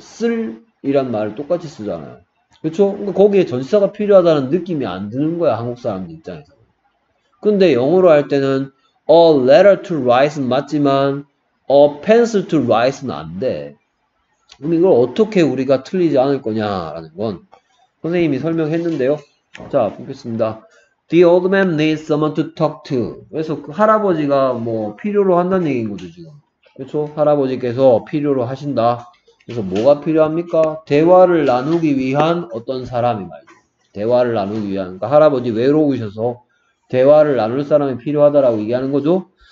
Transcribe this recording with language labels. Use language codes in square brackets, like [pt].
[ko] 쓸이란 말을 똑같이 쓰잖아요. 그렇죠? 그러니까 거기에 전치사가 필요하다는 느낌이 안 드는 거야. 한국 사람들 입장에서. 근데 영어로 할 때는 [en] a letter to write [ko] 맞지만 [en] a pencil to write [ko] 는 안 돼. 그럼 이걸 어떻게 우리가 틀리지 않을 거냐라는 건 선생님이 설명했는데요. 자, 보겠습니다. [en] The old man needs someone to talk to. [ko] 그래서 그 할아버지가 뭐 필요로 한다는 얘기인 거죠, 지금. 그렇죠? 할아버지께서 필요로 하신다. 그래서 뭐가 필요합니까? 대화를 나누기 위한 어떤 사람이 말이죠. 대화를 나누기 위한. 그러니까 할아버지 외로우셔서 대화를 나눌 사람이 필요하다라고 얘기하는 거죠.